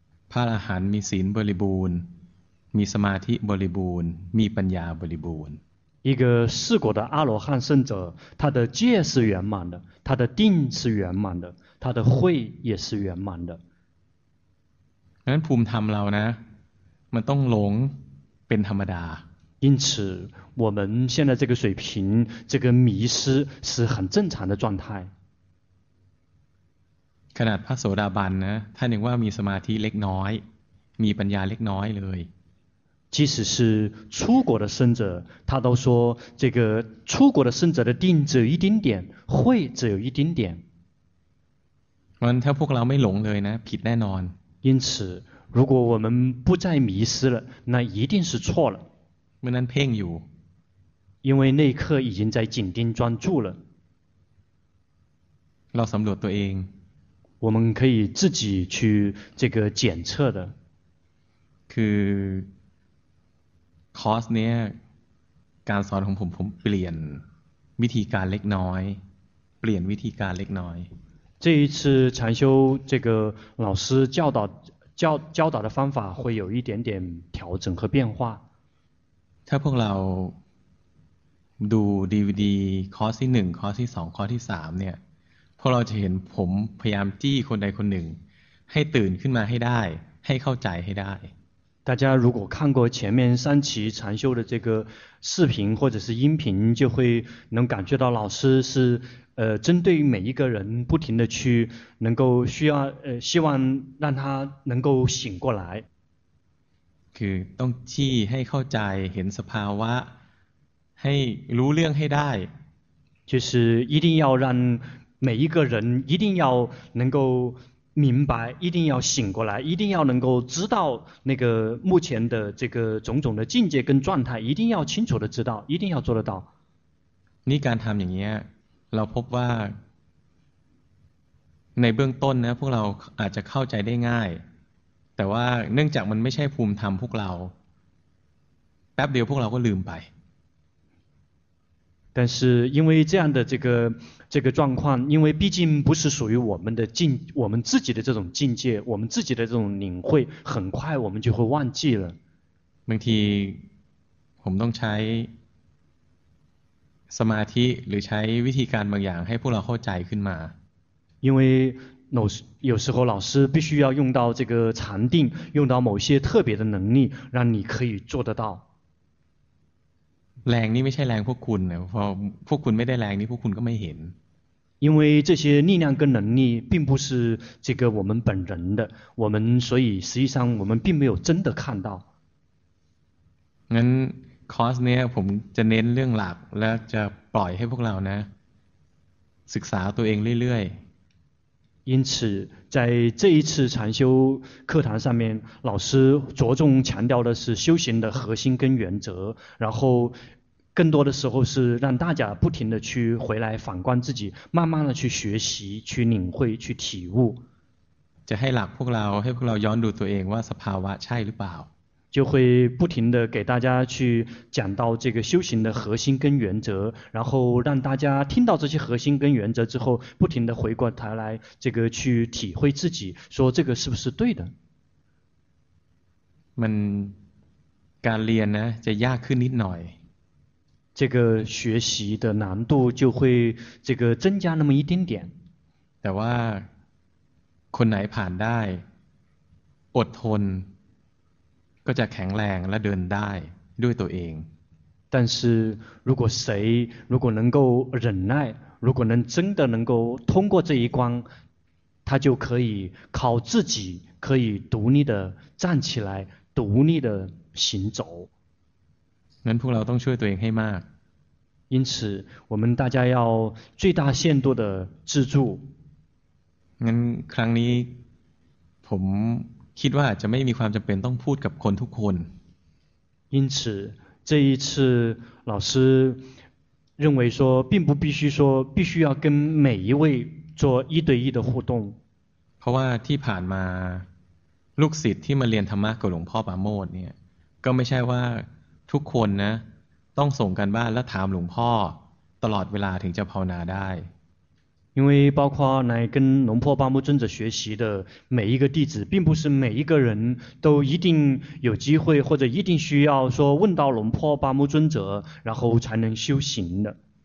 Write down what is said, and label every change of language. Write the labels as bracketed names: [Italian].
[Thai] พระอรหันต์มีศีลบริบูรณ์มีสมาธิบริบูรณ์มีปัญญาบริบูรณ์ [Chinese] 一个四果的阿罗汉圣者他的戒是圆满的他的定是圆满的他的慧也是圆满的 [Thai] งั้นภูมิธรรมเรานะมันต้องหลงเป็นธรรมดา [Chinese] 因此我们现在这个水平这个迷失是很正常的状态 [Thai] ขนาดพระโสดาบันนะท่านยังว่ามีสมาธิเล็กน้อยมีปัญญาเล็กน้อยเลย [Chinese] 即使是出果的圣者他都说这个出果的圣者的定只有一丁点慧只有一丁点 [Thai] งั้นถ้าพวกเราไม่หลงเลยนะผิดแน่นอน [Chinese] 因此如果我们不再迷失了那一定是错了 [Thai] เมื่อนั้นเพ่งอยู่ [Chinese] 因为那一刻已经在紧盯专注了 [Thai] เราสำรวจตัวเอง [Chinese] 我们可以自己去这个检测的 [Thai] คือคอร์สเนี้ยการสอนของผมเปลี่ยนวิธีการเล็กน้อยเปลี่ยนวิธีการเล็กน้อย [Chinese] 这一次禅修这个老师教导的方法会有一点点调整和变化 [Thai] ถ้าพวกเราดู DVD คอร์สที่1คอร์สที่2คอร์สที่3เนี่ยพวกเราจะเห็นผมพยายามจี้คนใดคนหนึ่งให้ตื่นขึ้นมาให้ได้ให้เข้าใจให้ได้ [Chinese] 大家如果看过前面三期禅修的这个视频或者是音频就会能感觉到老师是针对每一个人不停的去能够需要希望让他能够醒过来 [Thai] คือต้องจี้ให้เข้าใจเห็นสภาวะให้รู้เรื่องให้ได้ [Chinese] 就是一定要让每一个人一定要能够明白一定要醒过来一定要能够知道那个目前的这个种种的境界跟状态一定要清楚的知道一定要做得到 [Thai] นี่การทำอย่างเงี้ยเราพบว่าในเบื้องต้นนะพวกเราอาจจะเข้าใจได้ง่ายแต่ว่าเนื่องจากมันไม่ใช่ภูมิธรรมพวกเราแป๊บเดียวพวกเราก็ลืมไป [Chinese] 但是因为这样的这个状况，因为毕竟不是属于我们自己的这种境界，我们自己的这种领会，很快我们就会忘记了。 [Thai] บางทีผมต้องใช้สมาธิหรือใช้วิธีการบางอย่างให้พวกเราเข้าใจขึ้นมา。 [Chinese] 因为有时候老师必须要用到这个禅定，用到某些特别的能力，让你可以做得到。 [Thai] แรงนี้ไม่ใช่แรงพวกคุณนะพวกคุณไม่ได้แรงนี้พวกคุณก็ไม่เห็น [Chinese] 因为这些力量跟能力并不是这个我们本人的我们所以实际上我们并没有真的看到 [Thai] งั้นคอร์สเนี้ยผมจะเน้นเรื่องหลักและจะปล่อยให้พวกเรานะศึกษาตัวเองเรื่อยๆ [Chinese] 因此在这一次禅修课堂上面老师着重强调的是修行的核心跟原则然后更多的时候是让大家不停地去回来反观自己慢慢地去学习去领会去体悟 [Thai] จะให้หลักพวกเราให้พวกเราย้อนดูตัวเองว่าสภาวะใช่หรือเปล่า [Chinese] 就会不停地给大家去讲到这个修行的核心跟原则然后让大家听到这些核心跟原则之后不停地回过头来这个去体会自己说这个是不是对的 [Thai] มันการเรียนนะจะยากขึ้นนิดหน่อย [Chinese] 这个学习的难度就会这个增加那么一点点 [Thai] แต่ว่าคนไหนผ่านได้อดทนก็จะแข็งแรงและเดินได้ด้วยตัวเอง [Chinese] 但是如果谁如果能够忍耐如果能真的能够通过这一关他就可以靠自己可以独立的站起来独立的行走 [Thai] งั้นพวกเราต้องช่วยตัวเองให้มาก [Chinese] 因此我们大家要最大限度的自助 [Thai] งั้นครั้งนี้ผมคิดว่าจะไม่มีความจำเป็นต้องพูดกับคนทุกคน [Chinese] 因此这一次老师认为说并不必须说必须要跟每一位做一对一的互动 [Thai] เพราะว่าที่ผ่านมาลูกศิษย์ที่มาเรียนธรรมะกับหลวงพ่อปราโมทย์เนี่ยก็ไม่ใช่ว่าทุกคนนะต้องส่งกันบ้านและถามหลวงพ่อตลอดเวลาถึงจะภาวนาได้ [Chinese] 因为包括来跟龙婆巴木尊者学习的每一个弟子并不是每一个人都一定有机会或者一定需要说问到龙婆巴木尊者然后才能修行的